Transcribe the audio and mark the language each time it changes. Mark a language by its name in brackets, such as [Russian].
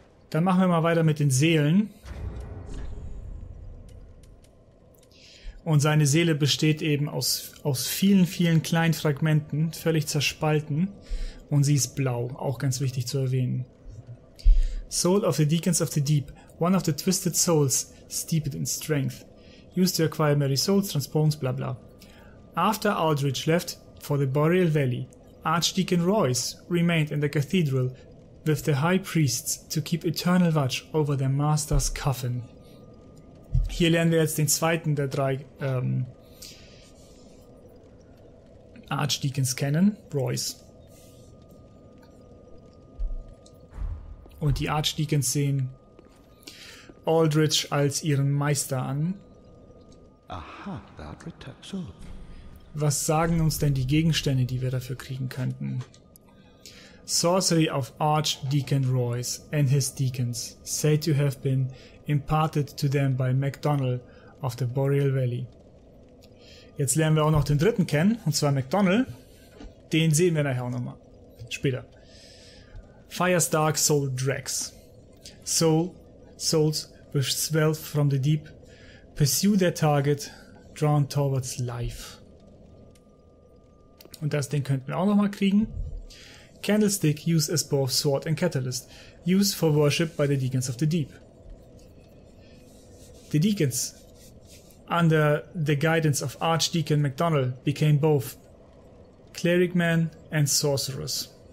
[German] Dann machen wir mal weiter mit den Seelen. Und seine Seele besteht eben aus vielen, vielen kleinen Fragmenten, völlig zerspalten. Und sie ist blau, auch ganz wichtig zu erwähnen. [English] Soul of the Deacons of the Deep, one of the twisted souls, steeped in strength. Used to acquire many souls, transforms, bla bla. After Aldridge left for the Boreal Valley, Archdeacon Royce remained in the cathedral with the high priests to keep eternal watch over their master's coffin. [German] Hier lernen wir jetzt den zweiten der drei Archdeacons kennen, Royce. Und die Archdeacons sehen Aldridge als ihren Meister an. [English] Aha, that returns up. [German] Was sagen uns denn die Gegenstände, die wir dafür kriegen könnten? [English] Sorcery of Archdeacon Royce and his deacons, said to have been imparted to them by MacDonald of the Boreal Valley. [German] Jetzt lernen wir auch noch den dritten kennen, und zwar MacDonald. Den sehen wir nachher auch nochmal. Später. [English] Fire's Dark Soul Drags. Souls which swell from the deep, pursue their target, drawn towards life. [German] Und das Ding könnten wir auch nochmal kriegen. [English] Candlestick used as both sword and catalyst. Used for worship by the Deacons of the Deep. The Deacons, under the guidance of Archdeacon MacDonald, became both cleric man and sorcerers.